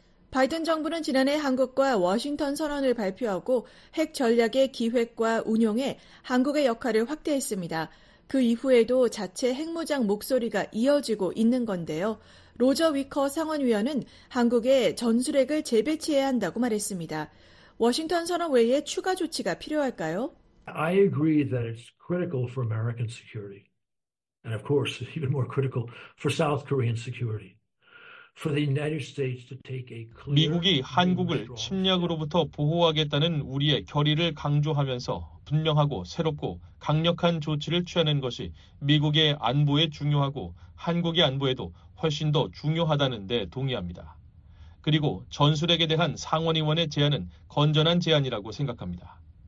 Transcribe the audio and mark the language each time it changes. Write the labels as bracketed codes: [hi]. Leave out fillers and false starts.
[ko] 바이든 정부는 지난해 한국과 워싱턴 선언을 발표하고 핵 전략의 기획과 운용에 한국의 역할을 확대했습니다. 그 이후에도 자체 핵무장 목소리가 이어지고 있는 건데요. 로저 위커 상원위원은 한국의 전술핵을 재배치해야 한다고 말했습니다. 워싱턴 선언 외에 추가 조치가 필요할까요? [en] I agree that it's critical for American security. And of course, even more critical for South Korean security. For the United States to take a clear [ko] 미국이 한국을 침략으로부터 보호하겠다는 우리의 결의를 강조하면서 분명하고 새롭고 강력한 조치를 취하는 것이 미국의 안보에 중요하고 한국의 안보에도 훨씬 더 중요하다는 데 동의합니다. 그리고 전술핵에 대한 상원의원의 제안은 건전한 제안이라고 생각합니다.